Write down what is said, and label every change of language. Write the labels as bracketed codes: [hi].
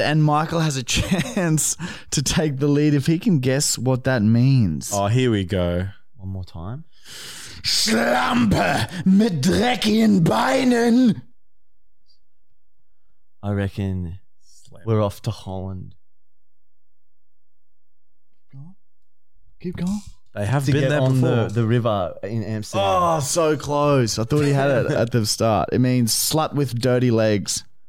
[en] And Michael has a chance to take the lead if he can guess what that means. Oh, here we go. One more time. [de] Schlampe mit dreckigen Beinen. [en] I reckon we're off to Holland. Keep going. They have been there on before. The river in Amsterdam. Oh, so close. I thought he had it at the start. It means slut with dirty legs.